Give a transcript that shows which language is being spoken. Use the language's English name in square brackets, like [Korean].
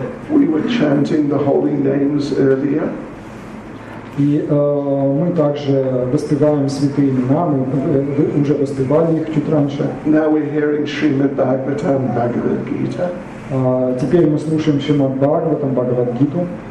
[English] We were chanting the holy names earlier. [Russian] И мы также воспеваем святые имена, мы уже воспевали их чуть раньше. [English] Now we're hearing Srimad Bhagavatam, Bhagavad Gita. [Russian] Теперь мы слушаем Srimad Bhagavatam, Bhagavad Gita.